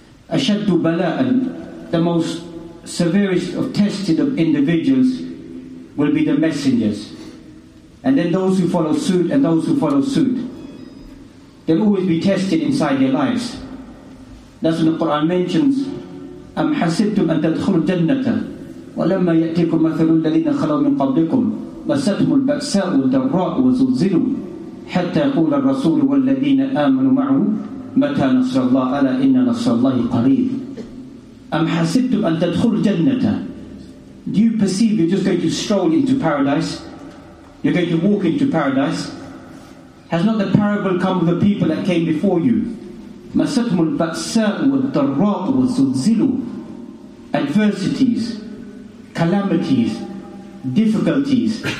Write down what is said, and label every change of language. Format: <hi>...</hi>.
<ar>Ashaddu bala'an,</ar> <en>the most severest of tested of individuals will be the messengers. And then those who follow suit and those who follow suit. They'll always be tested inside their lives. That's when the Quran mentions,</en> <ar>أَمْ حَسِبْتُمْ أَن تَدْخُلُوا الْجَنَّةَ وَلَمَّا يَأْتِكُمْ مَثَلُ الَّذِينَ خَلَوْا مِنْ قَبْلِكُمْ مَسَّتْهُمُ الْبَأْسَاءُ وَالضَّرَّاءُ وَزُلْزِلُوا حَتَّى يَقُولَ الرَّسُولُ وَالَّذِينَ آمَنُوا مَعَهُ مَتَى نَصْرُ اللَّهِ أَلَا إِنَّ نَصْرَ اللَّهِ قَرِيبٌ. أَمْ حَسِبْتُمْ أَن تَدْخُلُوا الْجَنَّةَ.</ar> <en>Do you perceive you're just going to stroll into paradise? You're going to walk into paradise? Has not the parable come of the people that came before you?</en> <ar>مَسَتْهُمُ الْبَأْسَاءُ وَالضَّرَّاءُ وَزُلْزِلُوا.</ar> <en>Adversities, calamities, difficulties.</en>